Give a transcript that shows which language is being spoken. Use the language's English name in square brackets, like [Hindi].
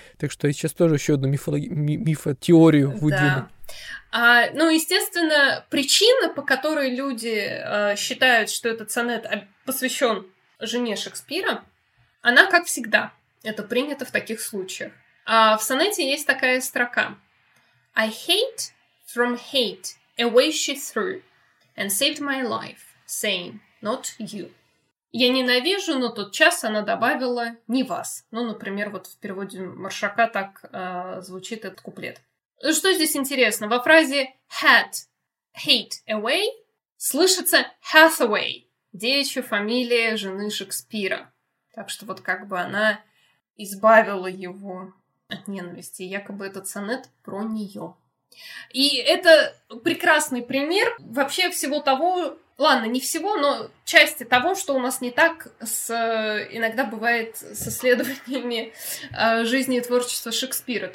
[Russian] Так что я сейчас тоже еще одну мифотеорию выдвину. А, ну, естественно, причина, по которой люди считают, что этот сонет посвящен жене Шекспира, она, как всегда, это принято в таких случаях. А в сонете есть такая строка. [English] «I hate from hate away she threw and saved my life, saying, not you». [Russian] «Я ненавижу, но тот час она добавила не вас». Ну, например, вот в переводе Маршака так звучит этот куплет. Что здесь интересно? Во фразе [English] «had hate away» [Russian] слышится «Hathaway». Девичья фамилия жены Шекспира. Так что вот как бы она избавила его от ненависти. Якобы этот сонет про нее. И это прекрасный пример вообще всего того, ладно, не всего, но части того, что у нас не так с, иногда бывает с исследованиями жизни и творчества Шекспира.